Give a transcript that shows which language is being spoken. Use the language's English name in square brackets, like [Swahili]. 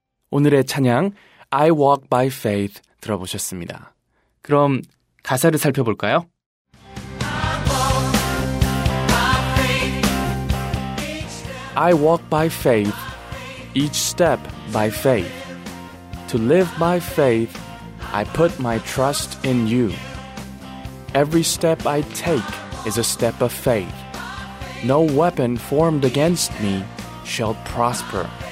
[Korean] 오늘의 찬양 I Walk By Faith 들어보셨습니다. 그럼 가사를 살펴볼까요? [English] I walk by faith each step. I walk by faith, each step by faith. To live by faith, I put my trust in you. Every step I take is a step of faith. No weapon formed against me shall prosper.